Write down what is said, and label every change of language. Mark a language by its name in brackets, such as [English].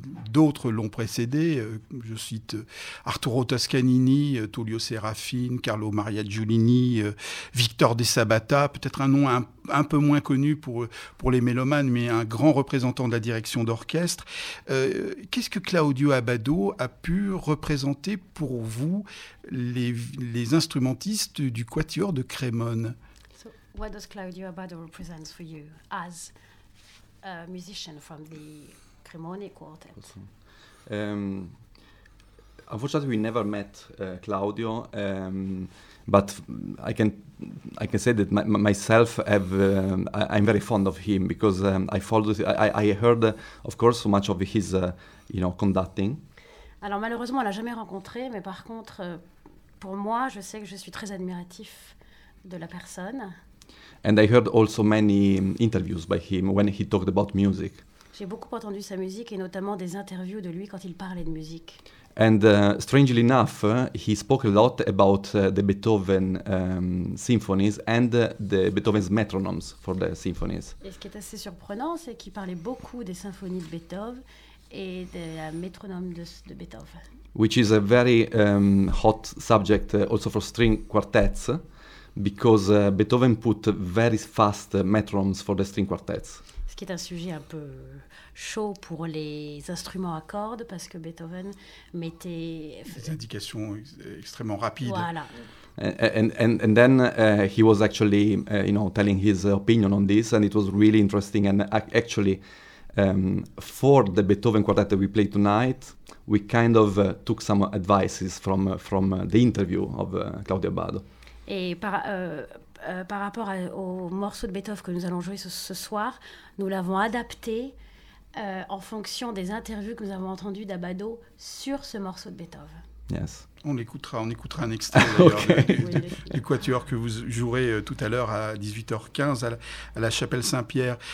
[French] D'autres l'ont précédé. Je cite Arturo Toscanini, Tullio Serafine, Carlo Maria Giulini, Victor De Sabata. Peut-être un nom un peu moins connu pour les mélomanes, mais un grand représentant de la direction d'orchestre. Qu'est-ce que Claudio Abbado a pu représenter pour vous, les instrumentistes du Quatuor de Crémone? [English] What does Claudio Abbado represent for you as a musician from the Cremone Quartet? Unfortunately, we never met Claudio, but I can say that myself have I'm very fond of him because I heard of course so much of his conducting. [French] Alors malheureusement, on l'a jamais rencontré, mais par contre, pour moi, je sais que je suis très admiratif de la personne. [English] And I heard also many interviews by him when he talked about music. [French] J'ai beaucoup entendu sa musique et notamment des interviews de lui quand il parlait de musique. [English] And strangely enough, he spoke a lot about the Beethoven symphonies and the Beethoven's metronomes for the symphonies. [French] Et ce qui est assez surprenant, c'est qu'il parlait beaucoup des symphonies de Beethoven et des métronomes de Beethoven. [English] Which is a very hot subject also for string quartets. Because Beethoven put very fast metronomes for the string quartets. [French] Ce qui est un sujet un peu chaud pour les instruments à cordes, parce que Beethoven mettait des indications extrêmement rapides. Voilà. [English] And then he was actually telling his opinion on this, and it was really interesting. And actually, for the Beethoven quartet that we play tonight, we kind of took some advices from the interview of Claudio Abbado. [French] Et par rapport au morceau de Beethoven que nous allons jouer ce soir, nous l'avons adapté en fonction des interviews que nous avons entendues d'Abbado sur ce morceau de Beethoven. [English] Yes. [French] On écoutera un extrait d'ailleurs, okay. du quatuor que vous jouerez tout à l'heure à 18h15 à la chapelle Saint-Pierre.